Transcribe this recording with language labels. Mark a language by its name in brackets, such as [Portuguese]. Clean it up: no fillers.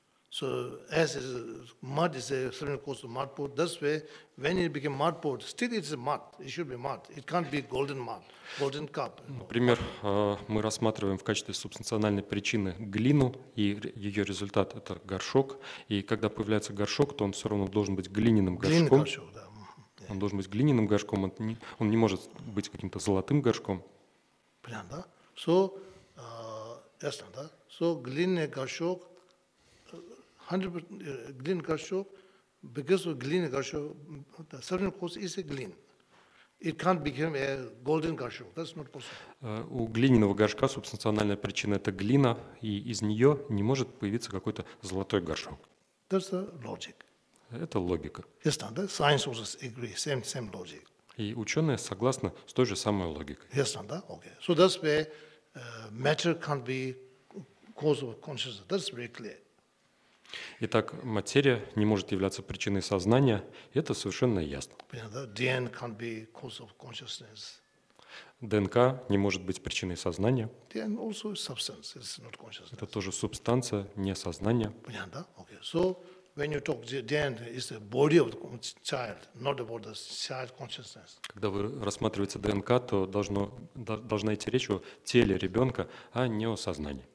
[English] So as is, mud is a certain cause of mud pot, that's why when it became mud pot, still it's a mud. It should be mud. It can't be golden mud, golden cup. [Russian] Например, мы рассматриваем в качестве субстанциональной причины глину, и ее результат – это горшок. И когда появляется горшок, то он все равно должен быть глиняным горшком. Горшок, да. Он должен быть глиняным горшком. Он не может быть каким-то золотым горшком. Понятно, да? So, ясно, да? So, глиняный горшок – 100% глин горшок, [English] because of [Russian] глин горшок, [English] the certain cause is a [Russian] глин. [English] It can't become a golden горшок. That's not possible. [Russian] У глиняного горшка субстанциональная причина – это глина, и из нее не может появиться какой-то золотой горшок. [English] That's the logic. [Russian] Это логика. [English] Yes, no, the science also agree, same logic. [Russian] И ученые согласны с той же самой логикой. [English] Yes, no, that? Okay. So that's where matter can't be cause of consciousness. That's very clear. [Russian] Итак, материя не может являться причиной сознания, и это совершенно ясно. [English] DNA can't be cause of consciousness. [Russian] ДНК не может быть причиной сознания. [English] Then also substance is not consciousness. [Russian] Это тоже субстанция, не сознание. Понятно? Okay. [English] So when you talk the DNA is the body of the child, not about the child consciousness. [Russian] Когда вы рассматриваете ДНК, то должна идти речь о теле ребенка, а не о сознании.